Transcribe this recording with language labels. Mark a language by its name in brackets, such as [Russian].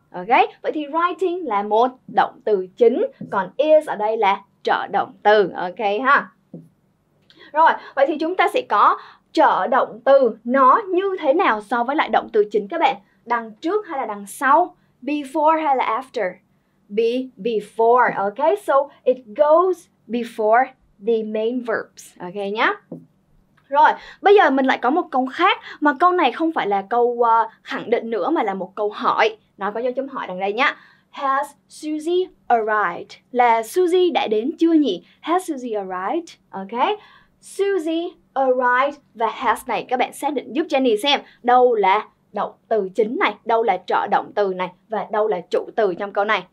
[Vietnamese] Ok, vậy thì writing là một động từ chính, còn is ở đây là trợ động từ, ok ha? Rồi, vậy thì chúng ta sẽ có trợ động từ nó như thế nào so với lại động từ chính các bạn? Đằng trước hay là đằng sau? [English] Before [Vietnamese] hay là [English] after? Before, ok? So, it goes before the main verbs, ok nhá? [Vietnamese] Rồi, bây giờ mình lại có một câu khác, mà câu này không phải là câu khẳng định nữa, mà là một câu hỏi. Nó có dấu chấm hỏi đằng đây nhá. [English] Has Susie arrived? [Vietnamese] Là Susie đã đến chưa nhỉ? [English] Has Susie arrived? Ok. [Vietnamese] Susie arrived và has này, các bạn xác định giúp Jenny xem đâu là động từ chính này, đâu là trợ động từ này và đâu là chủ từ trong câu này.